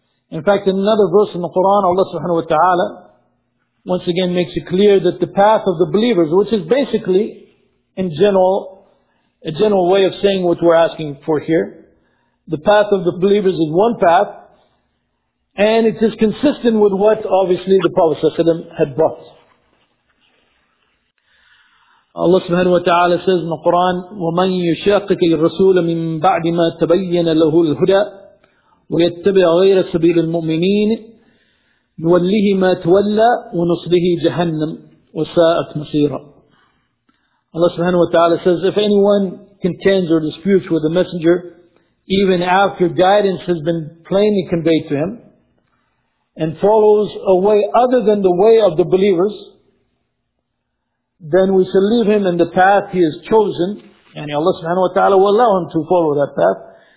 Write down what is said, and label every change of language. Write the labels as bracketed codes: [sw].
[en] In fact, in another verse in the Quran, Allah subhanahu wa ta'ala once again makes it clear that the path of the believers, which is basically, in general, a general way of saying what we're asking for here, the path of the believers is one path, and it is consistent with what obviously the Prophet sallallahu alaihi wasallam had brought. [ar] Allah subhanahu wa ta'ala [en] says in the Quran, [ar] وَمَنْ يُشَاقِقِ الرَّسُولَ مِنْ بَعْدِ مَا تَبَيَّنَ لَهُ الْهُدَى وَيَتَّبِعَ غَيْرَ سَبِيلِ الْمُؤْمِنِينَ نُوَلِّهِ مَا تَوَلَّى وَنُصْلِهِ جَهَنَّمْ وَسَاءَتْ مَصِيرًا. [en] Allah subhanahu wa ta'ala says, if anyone contends or disputes with the messenger, even after guidance has been plainly conveyed to him, and follows a way other than the way of the believers, then we shall leave him in the path he has chosen, and Allah subhanahu wa ta'ala will allow him to follow that path.